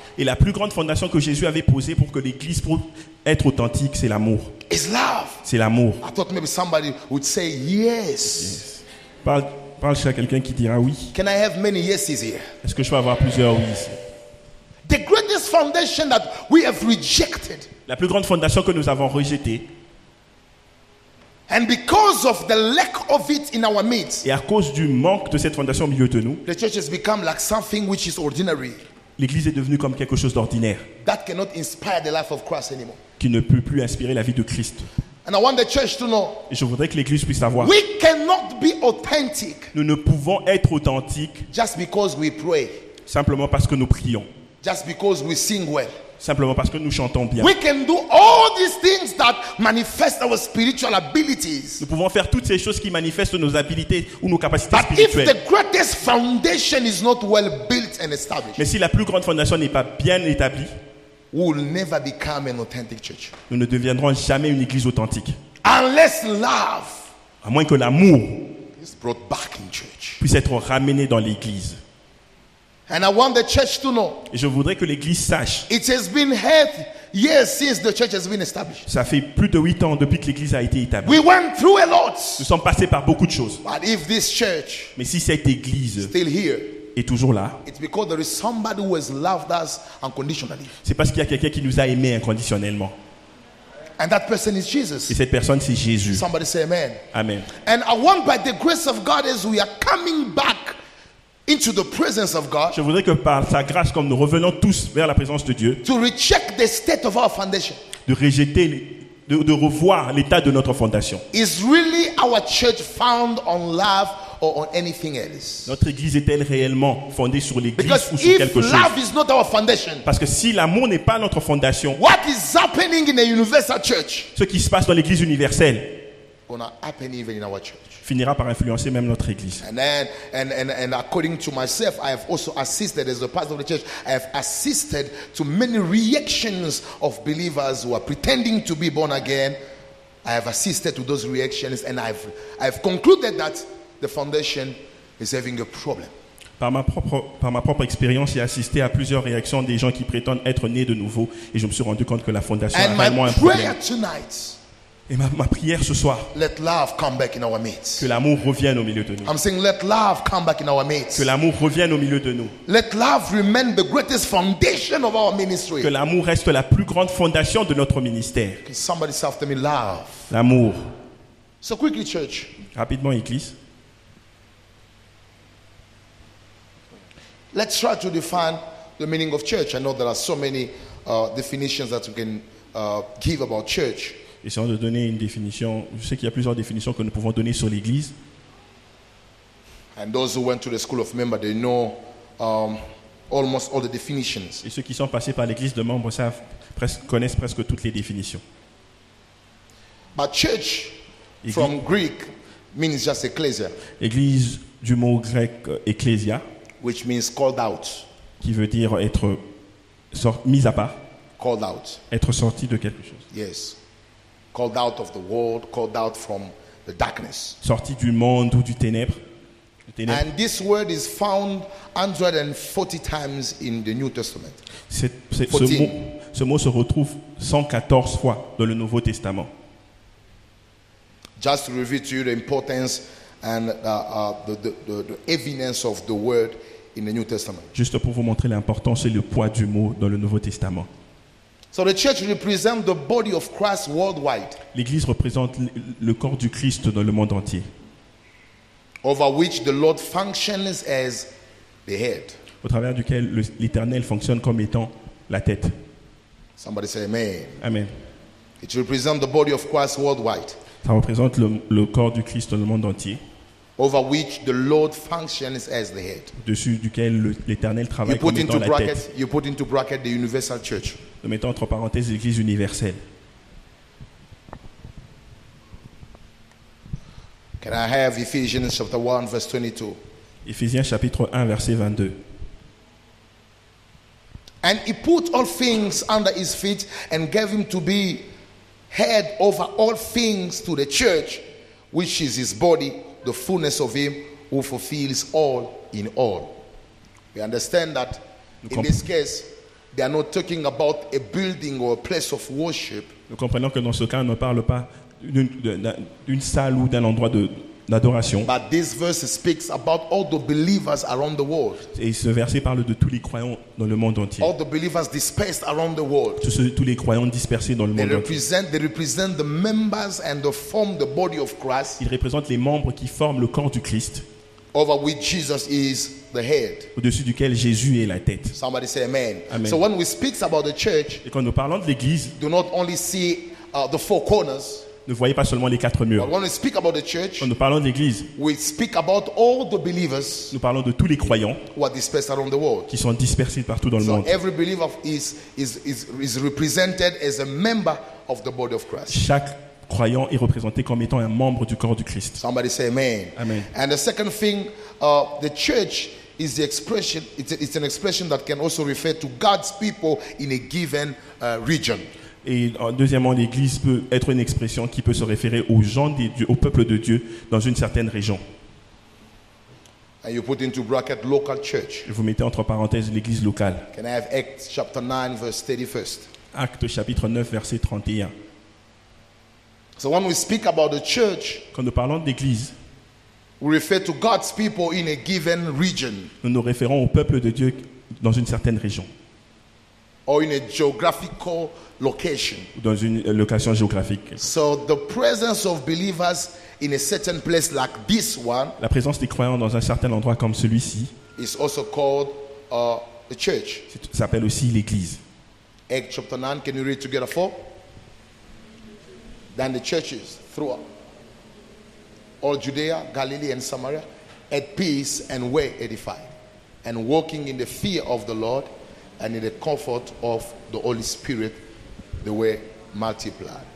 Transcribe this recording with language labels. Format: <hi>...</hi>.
<fr>Et la plus grande fondation que Jésus avait posée pour que l'église puisse être authentique, c'est l'amour.</fr> <en>Is love.</en> <fr>C'est l'amour.</fr> <en>I thought maybe somebody would say yes.</en> <fr>Parle chez quelqu'un qui dira oui.</fr> <en>Can I have many yeses here?</en> <fr>Est-ce que je peux avoir plusieurs oui ici?</fr> <en>The greatest foundation that we have rejected.</en> <fr>La plus grande fondation que nous avons rejetée.</fr> <en>And because of the lack of it in our midst.</en> <fr>Et à cause du manque de cette fondation au milieu de nous.</fr> <en>The church has become like something which is ordinary.</en> <fr>L'église est devenue comme quelque chose d'ordinaire.</fr> <en>That cannot inspire the life of Christ anymore.</en> <fr>Qui ne peut plus inspirer la vie de Christ.</fr> <en>And I want the church to know.</en> <fr>Et je voudrais que l'église puisse savoir.</fr> <en>We cannot be authentic.</en> <fr>Nous ne pouvons être authentiques.</fr> <en>Just because we pray.</en> <fr>Simplement parce que nous prions.</fr> <en>Just because we sing well.</en> <fr>Simplement parce que nous chantons bien.</fr> <en>We can do all these things that manifest our spiritual abilities.</en> <fr>Nous pouvons faire toutes ces choses qui manifestent nos habiletés ou nos capacités spirituelles.</fr> <en>But if the greatest foundation is not well built and established.</en> <fr>Mais si la plus grande fondation n'est pas bien établie.</fr> <en>We will never become an authentic church.</en> <fr>Nous ne deviendrons jamais une église authentique.</fr> <en>Unless love,</en> <fr>à moins que l'amour</fr> <en>is brought back in church.</en> <fr>Puisse être ramené dans l'église.</fr> <en>And I want the church to know.</en> <fr>Et je voudrais que l'église sache.</fr> <en>It has been 8 years since the church has been established.</en> <fr>Ça fait plus de 8 ans depuis que l'église a été établie.</fr> <en>We went through a lot.</en> <fr>Nous sommes passés par beaucoup de choses.</fr> <en>But if this church,</en> <fr>mais si cette église</fr> <en>still here,</en> <fr>est toujours là.</fr> <en>It's because there is somebody who has loved us unconditionally.</en> <fr>C'est parce qu'il y a quelqu'un qui nous a aimés inconditionnellement.</fr> <en>And that person is Jesus.</en> <fr>Et cette personne c'est Jésus.</fr> <en>Somebody say amen.</en> <fr>Amen.</fr> <en>And I want by the grace of God as we are coming back into the presence of God.</en> <fr>Je voudrais que par sa grâce comme nous revenons tous vers la présence de Dieu.</fr> <en>To recheck the state of our foundation.</en> <fr>De revoir l'état de notre fondation.</fr> <en>Is really our church found on love? Or on anything else.</en> <fr>Notre église est-elle réellement fondée sur l'église?</fr> <en>Because</en> <fr>ou sur quelque chose?</fr> <en>Love is not our foundation,</en> <fr>parce que si l'amour n'est pas notre fondation,</fr> <en>what is happening in a universal church,</en> <fr>ce qui se passe dans l'église universelle</fr> <en>gonna happen even in our church.</en> <fr>Finira par influencer même notre église.</fr> <en>And according to myself, I have also assisted as a pastor of the church, I have assisted to many reactions of believers who are pretending to be born again. I have assisted to those reactions and I've concluded that the foundation is having a problem.</en> <fr>Par ma propre expérience, j'ai assisté à plusieurs réactions des gens qui prétendent être nés de nouveau et je me suis rendu compte que la fondation</fr> <en>and</en> <fr>a vraiment un problème.</fr> <en>Tonight,</en> <fr>et ma prière ce soir,</fr> <en>let love come back in our midst.</en> <fr>Que l'amour revienne au milieu de nous.</fr> <en>I'm saying let love come back in our midst.</en> <fr>Que l'amour revienne au milieu de nous.</fr> <en>Let love remain the greatest foundation of our ministry.</en> <fr>Que l'amour reste la plus grande fondation de notre ministère.</fr> <en>Can somebody say after me, love.</en> <fr>L'amour.</fr> <en>So quickly, church.</en> <fr>Rapidement, église.</fr> <en>Let's try to define the meaning of church. I know there are so many definitions that we can give about church.</en> <fr>Essayons de donner une définition. Je sais qu'il y a plusieurs définitions que nous pouvons donner sur l'Église.</fr> <en>And those who went to the school of member, they know almost all the definitions.</en> <fr>Et ceux qui sont passés par l'Église de membres savent presque connaissent presque toutes les définitions.</fr> <en>But church, Église, from Greek, means just ecclesia.</en> <fr>Église du mot grec ecclesia,</fr> <en>which means called out.</en> <fr>Qui veut dire être mis à part.</fr> <en>Called out.</en> <fr>Être sorti de quelque chose.</fr> <en>Yes. Called out of the world, called out from the darkness.</en> <fr>Sorti du monde ou du ténèbre.</fr> <en>And this word is found 140 times in the New Testament.</en> <fr>Ce mot se retrouve 114 fois dans le Nouveau Testament.</fr> <en>Just to review to you the importance and the evidence of the word in the New Testament.</en> <fr>Juste pour vous montrer l'importance et le poids du mot dans le Nouveau Testament.</fr> <en>So the church represents the body of Christ worldwide.</en> <fr>L'église représente le corps du Christ dans le monde entier.</fr> <en>Over which the Lord functions as the head.</en> <fr>Au travers duquel l'Éternel fonctionne comme étant la tête.</fr> <en>Somebody say amen.</en> <fr>Amen.</fr> <en>It represents the body of Christ worldwide.</en> <fr>Ça représente le corps du Christ dans le monde entier.</fr> <en>Over which the Lord functions as the head.</en> <fr>Dessus duquel l'Éternel travaille comme étant la tête.</fr> <en>You put into bracket the universal church.</en> <fr>Nous mettons entre parenthèses l'Église universelle.</fr> <en>Can I have Ephesians chapter 1 verse 22?</en> <fr>Ephésiens chapitre 1 verset 22.</fr> <en>And he put all things under his feet and gave him to be head over all things to the church, which is his body, the fullness of him who fulfills all in all. We understand that in this case, they are not talking about a building or a place of worship.</en> <fr>Nous comprenons que dans ce cas, on ne parle pas d'une salle ou d'un endroit d'adoration.</fr> <en>But this verse speaks about all the believers around the world.</en> <fr>Et ce verset parle de tous les croyants dans le monde entier.</fr> <en>All the believers dispersed around the world.</en> <fr>Tous les croyants dispersés dans le monde entier.</fr> <en>They represent the members and they form the body of Christ.</en> <fr>Ils représentent les membres qui forment le corps du Christ.</fr> <en>Over which Jesus is the head.</en> <fr>Au-dessus duquel Jésus est la tête.</fr> <en>Somebody say amen.</en> <fr>Amen.</fr> <en>So when we speak about the church,</en> <fr>et quand nous parlons de l'église,</fr> <en>do not only see the four corners.</en> <fr>Ne voyez pas seulement les quatre murs.</fr> <en>But when we speak about the church,</en> <fr>quand nous parlons de l'église,</fr> <en>we speak about all the believers.</en> <fr>Nous parlons de tous les croyants</fr> <en>who are dispersed around the world.</en> <fr>Qui sont dispersés partout dans</fr> <en>so</en> <fr>le monde.</fr> <en>So every believer is represented as a member of the body of Christ.</en> <fr>Chaque croyant est représenté comme étant un membre du corps du Christ.</fr> <en>Somebody say amen.</en> <fr>Amen.</fr> <en>And the second thing, the church is the expression. It's an expression that can also refer to God's people in a given region.</en> <fr>Et deuxièmement, l'Église peut être une expression qui peut se référer aux gens des dieux, au peuple de Dieu dans une certaine région.</fr> <en>And you put into bracket local church.</en> <fr>Et vous mettez entre parenthèses l'Église locale.</fr> <en>Can I have Acts chapter 9 verse 31st?</en> <fr>Acte chapitre 9 verset 31.</fr> <en>So when we speak about the church,</en> <fr>quand nous parlons d'église,</fr> <en>we refer to God's people in a given region.</en> <fr>Nous nous référons au peuple de Dieu dans une certaine région.</fr> <en>Or in a geographical location.</en> <fr>Ou dans une location géographique.</fr> <en>So the presence of believers in a certain place like this one,</en> <fr>la présence des croyants dans un certain endroit comme celui-ci,</fr> <en>is also called a church.</en> <fr>S'appelle aussi l'église.</fr> <en>Acts chapter 9, can you read together for? Then the churches throughout all Judea, Galilee, and Samaria had peace and were edified, and walking in the fear of the Lord and in the comfort of the Holy Spirit, they were multiplied.</en>